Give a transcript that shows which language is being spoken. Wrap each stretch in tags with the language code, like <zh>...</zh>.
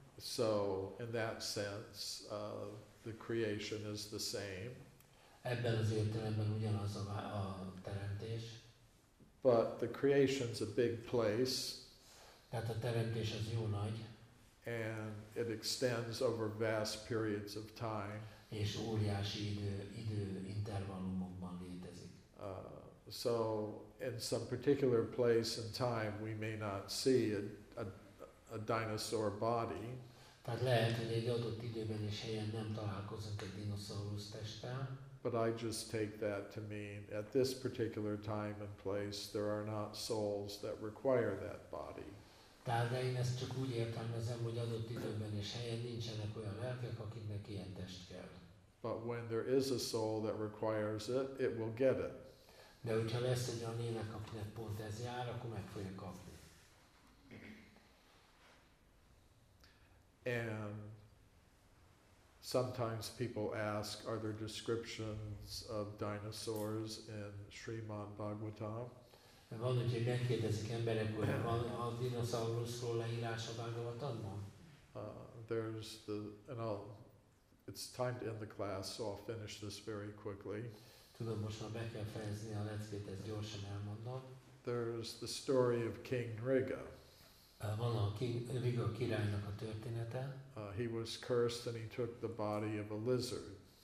<en>So in that sense, the creation is the same.</en> <hu>Ebben az értelemben ugyanaz a teremtés.</hu> <en>But the creation's a big place.</en> <hu>Tehát a teremtés az jó nagy.</hu> <en>And it extends over vast periods of time.</en> <hu>És óriási idő intervallumokban létezik.</hu> <en>So in some particular place and time we may not see a dinosaur body.</en> <hu>Tehát lehet, hogy egy adott időben és helyen nem találkozunk egy dinoszaurusz testtel.</hu> <en>But I just take that to mean at this particular time and place there are not souls that require that body.</en> <hu>Tehát én ezt csak úgy értelmezem, hogy adott időben és helyen nincsenek olyan lelkek, akiknek ilyen test kell.</hu> <en>But when there is a soul that requires it, it will get it.</en> <hu>De hogyha lesz egy olyan lélek, akinek pont ez jár, akkor meg fogja kapni.</hu> <en>And sometimes people ask, are there descriptions of dinosaurs in Srimad Bhagavatam?</en> <hu>Van, hogy megkérdezik emberek, hogy van a dinoszauruszról leírás a Bhagavatamban?</hu> <en>It's time to end the class, so I'll finish this very quickly.</en> <hu>Tudom, most már be kell fejezni a leckét, ezt gyorsan elmondom.</hu> <en>There's the story of King Nriga.</en> <hu>Van a Riga királynak a története.</hu> <en>He was cursed and he took the body of a lizard.</en>